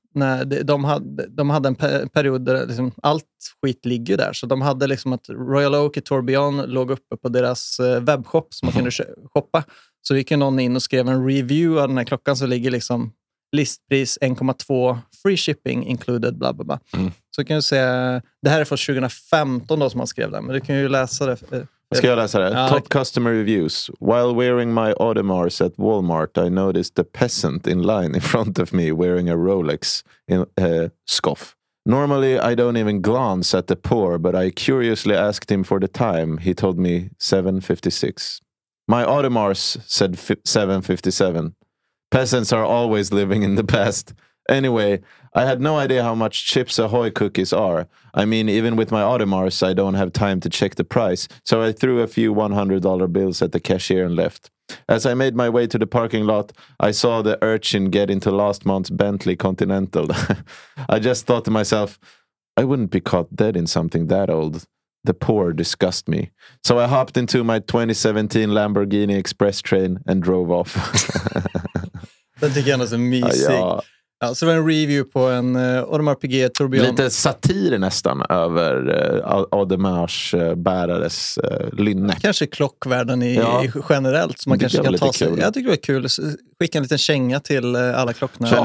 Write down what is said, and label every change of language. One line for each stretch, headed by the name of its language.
Swedish: När de hade en period där liksom allt skit ligger där. Så de hade liksom att Royal Oak i Tourbillon låg uppe på deras webbshop som man kunde shoppa. Så gick någon in och skrev en review av den här klockan, så ligger liksom listpris 1,2,
English: free shipping included,
Swedish: bla bla bla. Så kan du säga, det här är från 2015 då som man skrev det, men du kan ju läsa det. Ska jag läsa det? Ja.
English: Top customer reviews. While wearing my Audemars at Walmart, I noticed a peasant in line in front of me wearing a Rolex in scoff. Normally, I don't even glance at the poor, but I curiously asked him for the time. He told me 7:56. My Audemars said 7:57. Peasants are always living in the past. Anyway, I had no idea how much Chips Ahoy cookies are. I mean, even with my Audemars, I don't have time to check the price. So I threw a few $100 bills at the cashier and left. As I made my way to the parking lot, I saw the urchin get into last month's Bentley Continental. I just thought to myself, I wouldn't be caught dead in something that old. The poor disgust me. So I hopped into my 2017 Lamborghini Express train and drove off.
Swedish: Den tycker jag är så mysig. Ja, så det var en review på en Audemars Piguet Tourbillon. Lite satir nästan över Audemars bärares lynne. Kanske klockvärlden i generellt. Så man kanske kan ta sig. Jag tycker det var kul. Skicka en liten känga till alla klockorna.